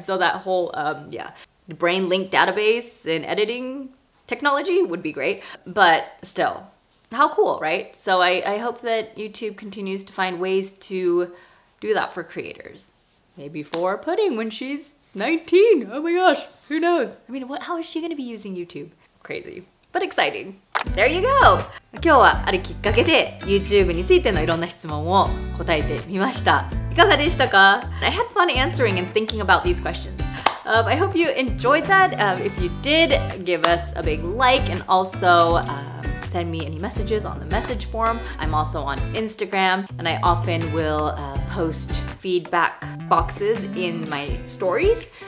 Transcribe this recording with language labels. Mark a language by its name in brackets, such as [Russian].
[English] So that whole, the brain link database and editing technology would be great. But still, how cool, right? So I hope that YouTube continues to find ways to do that for creators. maybe for pudding when she's 19. Oh my gosh, who knows? I mean, how is she going to be using YouTube? Crazy, but exciting. There you go! [Japanese] 今日はあるきっかけで YouTube についてのいろんな質問を答えてみました。いかがでしたか? [English] I had fun answering and thinking about these questions. I hope you enjoyed that. If you did, give us a big like and also send me any messages on the message form. I'm also on Instagram and I often will post feedback boxes in my stories.